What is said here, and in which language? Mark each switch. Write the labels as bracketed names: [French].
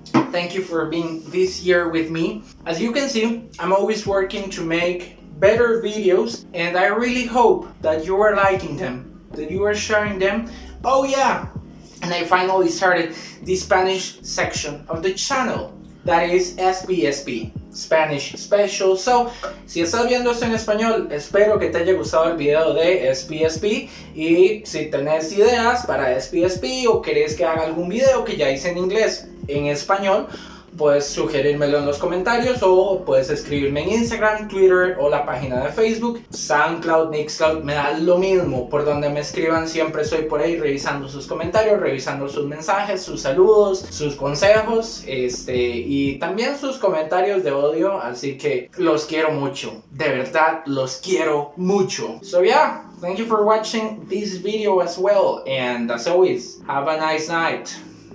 [English] Thank you for being this year with me. As you can see, I'm always working to make better videos, and I really hope that you are liking them, that you are sharing them. Oh yeah, and I finally started the Spanish section of the channel, that is SBSB, Spanish Special. [Spanish] So, si estás viendo esto en español, espero que te haya gustado el video de SBSB, y si tenés ideas para SBSB o querés que haga algún video que ya hice en inglés, en español, puedes sugerírmelo en los comentarios o puedes escribirme en Instagram, Twitter o la página de Facebook, SoundCloud, Mixcloud, me da lo mismo, por donde me escriban siempre estoy por ahí revisando sus comentarios, revisando sus mensajes, sus saludos, sus consejos, y también sus comentarios de odio, así que los quiero mucho, de verdad los quiero mucho. [English] So yeah, thank you for watching this video as well, and as always, have a nice night.